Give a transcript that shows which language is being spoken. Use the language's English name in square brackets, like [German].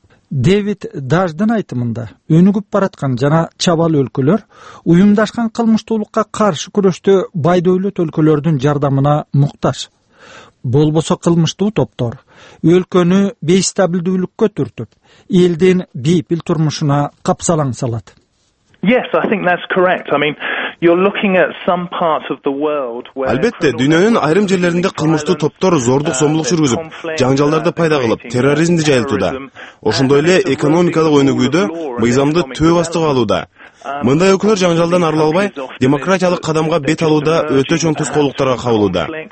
[Kyrgyz] Дэвид Даждын айтымында өнүгүп бараткан жана чабал өлкөлөр уюмдашкан кылмыштуулукка каршы күрөштө бай дөөлөт өлкөлөрдүн жардамына муктаж. Болбосо кылмыштуу топтор өлкөнү бейстабилдүүлүккө түртүп, элдин бейпил турмушуна капсалаң салат. [English] Yes, I think that's correct. I mean, you're looking at some parts of the world where [Kyrgyz] Албетте, дүйнөнүн айрым жерлеринде кылмыштуу топтор зордук зомбулук жүргүзүп, жаңжалдарды пайда кылып, терроризмди жайылтууда. Ошондой эле экономикалык өнүгүүдө мыйзамды төө бастыгы алууда. Мындай өкүлөр жаңжалдан арылбай, демократиялык кадамга бет алууда өтө чоң тоскоолдуктарга кабылууда.